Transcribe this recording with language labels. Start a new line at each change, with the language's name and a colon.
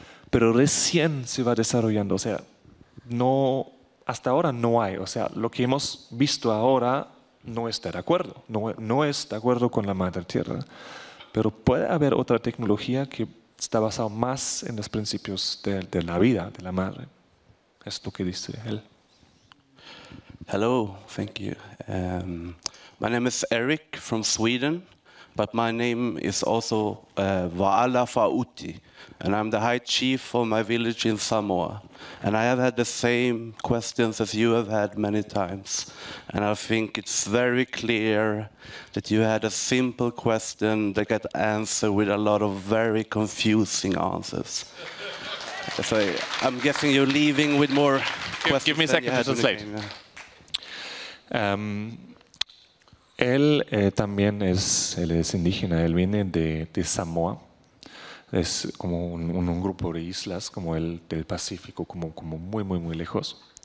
Spanish: Pero recién se va desarrollando, o sea, no, hasta ahora no hay, o sea, lo que hemos visto ahora no está de acuerdo, no es de acuerdo con la madre tierra, pero puede haber otra tecnología que está basada más en los principios de la vida de la madre. Es lo que dice él.
English: Hello, thank you. My name is Eric from Sweden, but my name is also Wa'ala Fa'uti, and I'm the high chief for my village in Samoa. And I have had the same questions as you have had many times. And I think it's very clear that you had a simple question that got answered with a lot of very confusing answers. So I'm guessing you're leaving with more questions. Give me a second, just translate.
Spanish: Él también es indígena, él viene de Samoa. Es como un grupo de islas, como el del Pacífico, como muy, muy, muy lejos.